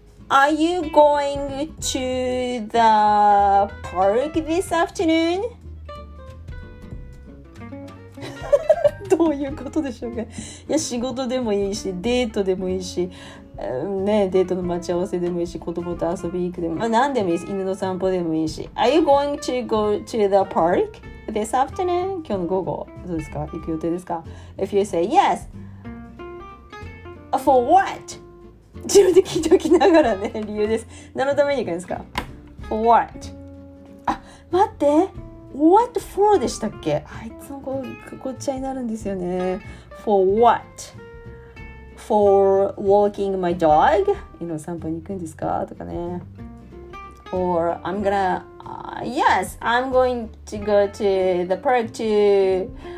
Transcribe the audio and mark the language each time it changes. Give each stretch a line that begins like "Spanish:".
English: Are you going to the park this afternoon?
Japanese: どういうことでしょうか。いや、仕事でもいいし、デートでもいいし、ね、デートの待ち合わせでもいいし、子供と遊びに行くでも、まあ、何でもいいし、犬の散歩でもいいし。
English: Are you going to go to the park this afternoon?
Japanese: 今日の午後、どうですか、行く予定ですか。
English: If you say yes, for what?
Japanese: 自分で聞いておきながらね、理由です。何のために行くんですか。
English: For what?
Japanese: あ、待って、
English: What for
Japanese: でしたっけ？あいつもこっちゃになるんですよね。
English: For what? For walking my dog?
Japanese: 犬散歩に行くんですかとかね。
English: Or I'm gonna...、yes, I'm going to go to the park to...